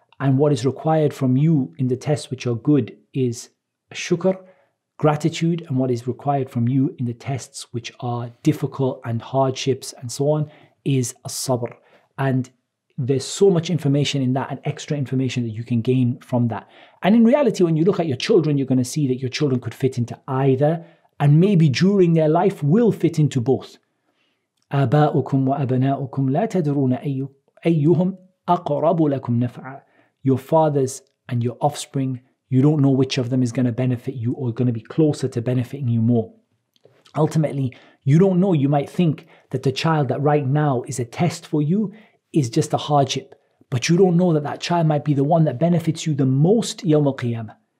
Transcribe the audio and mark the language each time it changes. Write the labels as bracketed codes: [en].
[en] And what is required from you in the tests which are good is shukr, gratitude, and what is required from you in the tests which are difficult and hardships and so on is a sabr. And there's so much information in that and extra information that you can gain from that. And in reality, when you look at your children, you're going to see that your children could fit into either, and maybe during their life will fit into both. [ar] آباؤكم وأبناؤكم لا تدرون أيهم أقرب لكم نفعا. [en] Your fathers and your offspring, you don't know which of them is going to benefit you or going to be closer to benefiting you more. Ultimately, you don't know. You might think that the child that right now is a test for you is just a hardship, but you don't know that that child might be the one that benefits you the most [ar] يوم القيامة.